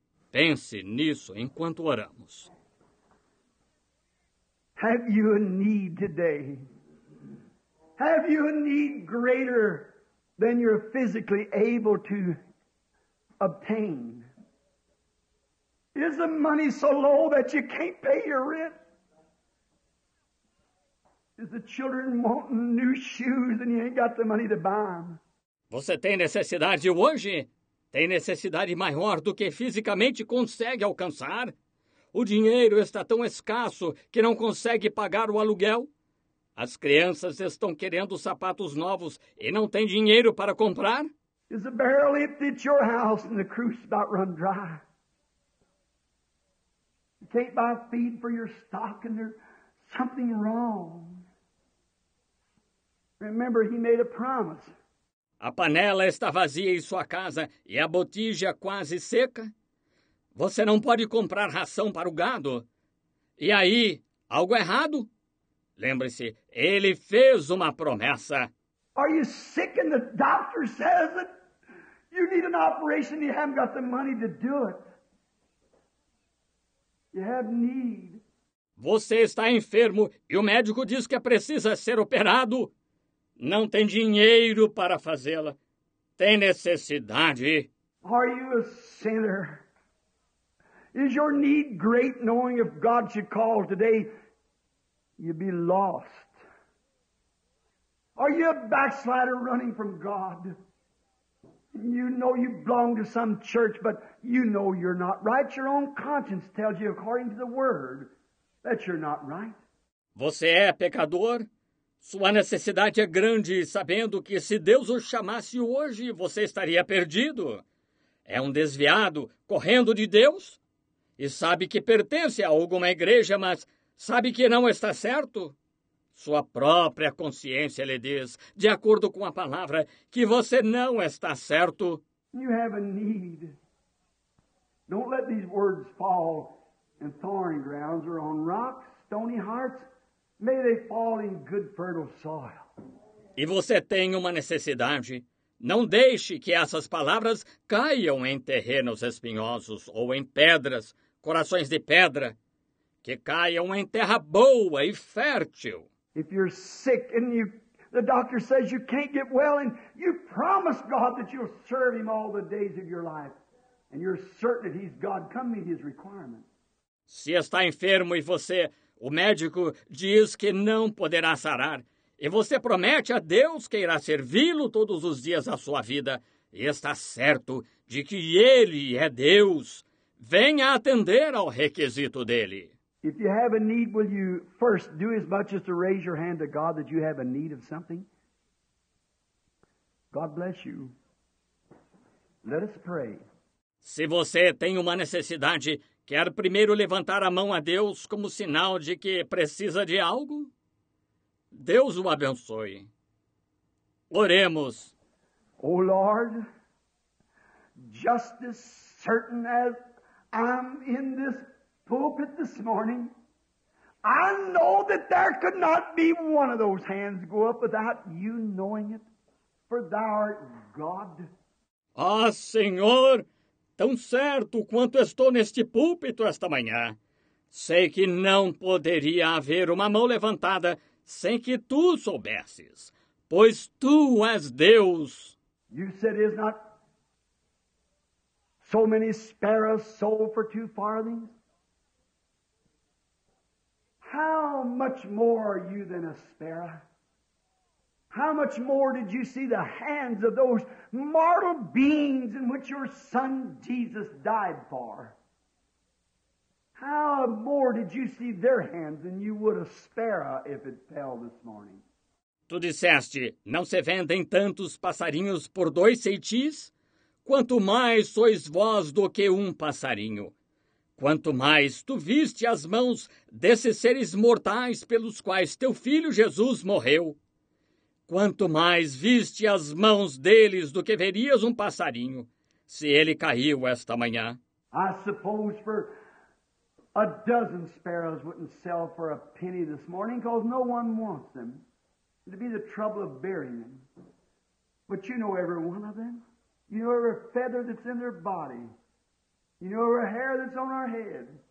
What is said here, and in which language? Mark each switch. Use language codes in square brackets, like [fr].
[pt] Pense nisso enquanto oramos. [en] Have you a need today? Have you a need greater than you're physically able to obtain? Is the money so low that you can't pay your rent? Is the children wanting new shoes and you ain't got the money to buy them? [pt] Você tem necessidade hoje? Tem necessidade maior do que fisicamente consegue alcançar? O dinheiro está tão escasso que não consegue pagar o aluguel? As crianças estão querendo sapatos novos e não tem dinheiro para comprar? [en] Is the barrel empty at your house and the crew's about run dry? You can't buy feed for your stock and there's something wrong. Remember, He made a promise. [pt] A panela está vazia em sua casa e a botija quase seca? Você não pode comprar ração para o gado? E aí, algo errado? Lembre-se, Ele fez uma promessa. [en] Are you sick and the doctor says it? You need an operation, you haven't got the money to do it. You have need. [pt] Você está enfermo e o médico diz que precisa ser operado. Não tem dinheiro para fazê-la. Tem necessidade. [en] Are you a sinner? Is your need great knowing if God should call today, you'd be lost? Are you a backslider running from God? You know you belong to some church, but you know you're not right. Your own conscience tells you, according to the word, that you're not right. [pt] Você é pecador? Sua necessidade é grande, sabendo que se Deus o chamasse hoje, você estaria perdido. É um desviado, correndo de Deus? E sabe que pertence a alguma igreja, mas sabe que não está certo? Sua própria consciência lhe diz, de acordo com a palavra, que você não está certo. [en] You have a need. Don't let these words fall in thorny grounds or on rocks, stony hearts. May they fall in good fertile soil. [pt] E você tem uma necessidade. Não deixe que essas palavras caiam em terrenos espinhosos ou em pedras, corações de pedra. Que caiam em terra boa e fértil. [en] If you're sick and the doctor says you can't get well and you promise God that you'll serve Him all the days of your life and you're certain that He's God, come meet His requirement. [pt] Se está enfermo e você, o médico diz que não poderá sarar e você promete a Deus que irá servi-lo todos os dias da sua vida e está certo de que Ele é Deus, venha atender ao requisito dEle. [en] If you have a need, will you first do as much as to raise your hand to God that you have a need of something? God bless you. Let us pray. [pt] Se você tem uma necessidade, quer primeiro levantar a mão a Deus como sinal de que precisa de algo? Deus o abençoe. Oremos. [en] Oh Lord, just as certain as I'm in this pulpit this morning, I know that there could not be one of those hands go up without you knowing it, for thou art God. [pt] Ah, Senhor, tão certo quanto estou neste púlpito esta manhã, sei que não poderia haver uma mão levantada sem que tu soubesses, pois tu és Deus. [en] You said is not so many sparrows sold for two farthings? How much more are you than a sparrow? How much more did you see the hands of those mortal beings in which your son Jesus died for? How more did you see their hands than you would a sparrow if it fell this morning? [pt] Tu disseste, não se vendem tantos passarinhos por dois ceitis? Quanto mais sois vós do que um passarinho. Quanto mais tu viste as mãos desses seres mortais pelos quais teu filho Jesus morreu. Quanto mais viste as mãos deles do que verias um passarinho, se ele caiu esta manhã. [en] I suppose for a dozen sparrows wouldn't sell for a penny this morning, because no one wants them. It'd be the trouble of burying them. But you know every one of them. You know every feather that's in their body. You know every hair that's on our head.